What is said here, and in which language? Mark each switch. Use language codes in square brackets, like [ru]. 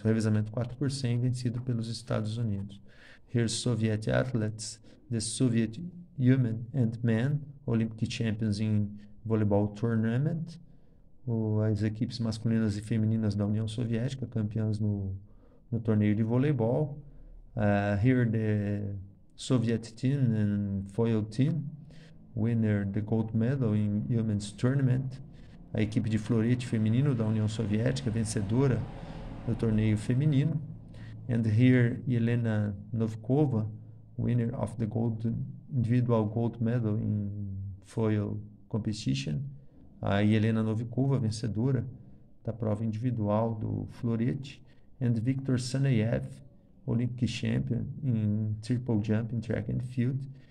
[pt] O revezamento 4% vencido pelos Estados Unidos. [en] Here's Soviet athletes, the Soviet women and men, Olympic champions in volleyball tournament. [pt] As equipes masculinas e femininas da União Soviética, campeãs no torneio de voleibol. [en] Here the Soviet team and foil team, winner the gold medal in women's tournament. [pt] A equipe de florete feminino da União Soviética, vencedora do torneio feminino. [en] And here, Yelena Novikova, winner of the gold individual gold medal in foil competition. [pt] A Yelena Novikova, vencedora da prova individual do florete. [en] And Viktor Saneyev, Olympic champion in triple jump in track and field.